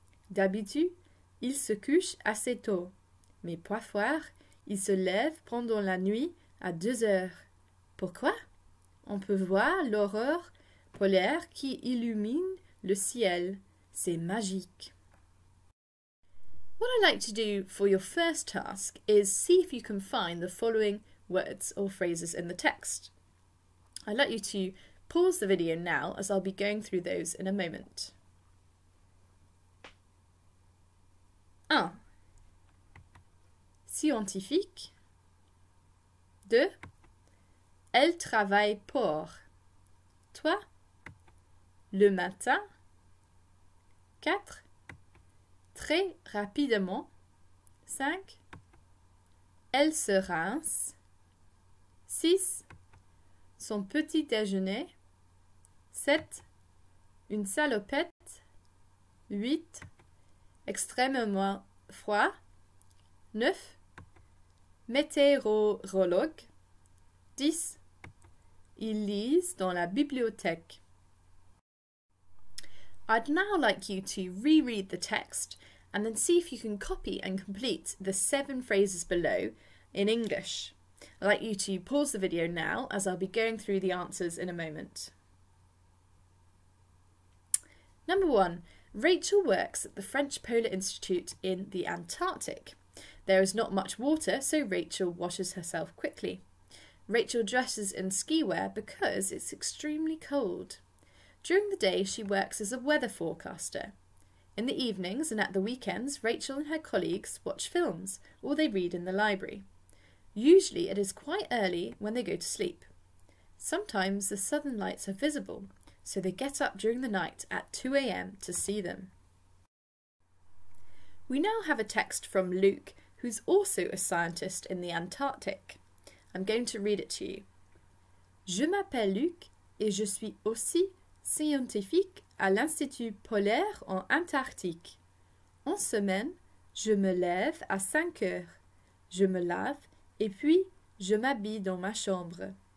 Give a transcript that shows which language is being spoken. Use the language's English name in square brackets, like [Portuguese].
[French] D'habitude, ils se couchent assez tôt, mais parfois, ils se lèvent pendant la nuit à 2 heures. Pourquoi? On peut voir l'aurore polaire qui illumine le ciel. C'est magique. [English] What I'd like to do for your first task is see if you can find the following words or phrases in the text. I'd like you to pause the video now as I'll be going through those in a moment. 1. [French] scientifique. Deux. Elle travaille pour. Trois. Le matin. Quatre. Très rapidement. Cinq. Elle se rince. Six. Son petit déjeuner. Sept. Une salopette. Huit. Extrêmement froid. Neuf. Météorologue. Dix. Ils lisent dans la bibliothèque. [English] I'd now like you to reread the text and then see if you can copy and complete the seven phrases below in English. I'd like you to pause the video now as I'll be going through the answers in a moment. Number one, Rachel works at the French Polar Institute in the Antarctic. There is not much water, so Rachel washes herself quickly. Rachel dresses in ski wear because it's extremely cold. During the day, she works as a weather forecaster. In the evenings and at the weekends, Rachel and her colleagues watch films or they read in the library. Usually, it is quite early when they go to sleep. Sometimes the southern lights are visible, so they get up during the night at 2 a.m. to see them. We now have a text from Luke, who's also a scientist in the Antarctic. I'm going to read it to you. [French] Je m'appelle Luc et je suis aussi scientifique à l'Institut polaire en Antarctique. En semaine, je me lève à 5 heures. Je me lave et puis je m'habille dans ma chambre.